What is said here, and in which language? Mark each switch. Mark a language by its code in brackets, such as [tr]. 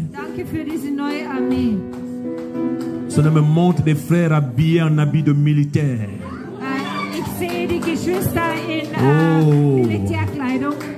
[de] Danke für diese neue Armee. [fr] Ce ne me montre des frères habillés en habits de militaire. [de] Ich sehe die Geschwister in Militärkleidung.